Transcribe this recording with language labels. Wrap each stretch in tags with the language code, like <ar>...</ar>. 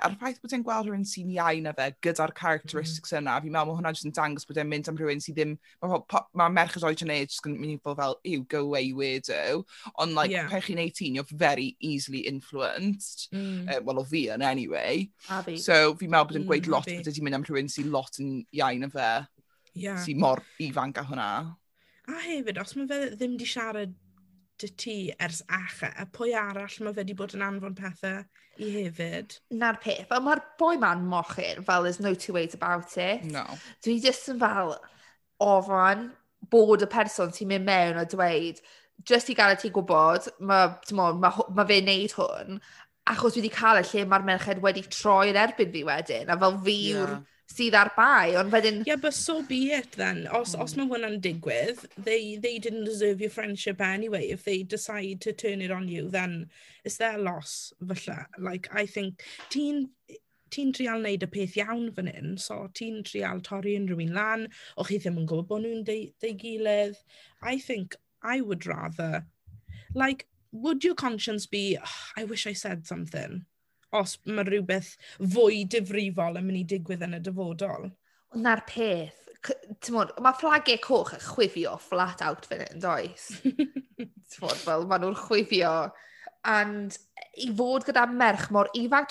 <cy>A'r ffaith bod e'n gweld rhywun sy'n iau na fe, gyda'r characteristics yna, fi'n meddwl, mae hwnna jyst yn dangos bod e'n mynd am rhywun sy'n ddim, mae merched oed yn ei, jyst yn mynd i fod fel, ew,</cy> <en>go away, weirdo. Ond, like,</en> <cy>pe chi'n 18,</cy> <en>you're very easily influenced.</en> <cy>Well, o fi yn, anyway. So, fi'n meddwl bod e'n gweud lot bod e'n mynd am rhywun sy'n lot yn iau na fe, sy'n mor ifanc a hwnna. A hefyd, os mae fe ddim di siarad dy ti ers acha, a pwy arall mae fe wedi bod yn anfon pethau I hefyd? Na'r peth, ond mae'r boi ma'n mochyn, fel</cy> <en>there's no two ways about it. No.</en> <cy>Dwi just yn fel ofan bod y person ti'n mynd mewn a dweud, just I gael ti gwybod, mae fe'n neud hwn, achos wedi cael y lle mae'r merched wedi troi yn erbyn fi wedyn, a fel fi yw'r... Yeah. Sydd ar bai, ond fedyn...</cy> <en>Yeah, but so be it then.</en> <cy>Os mae hwnna'n digwydd,</cy> <en>they didn't deserve your friendship anyway. If they decide to turn it on you, then it's their loss, falle. Like, I think,</en> <cy>ti'n trial neud y peth iawn fan hyn, so ti'n trial torri unrhyw'n lan, o chi ddim yn gwybod bod nhw'n dei gilydd.</cy> <en>I think I would rather... Like, would your conscience be, I wish I said something?</en> <cy>Os mae rhywbeth fwy difrifol yn mynd I digwydd yn y dyfodol. Na'r peth. Mae fflagau coch yn chwifio flat out fan hyn, does? Fel, maen nhw'n chwifio. And I fod gyda merch mor ifanc.</cy>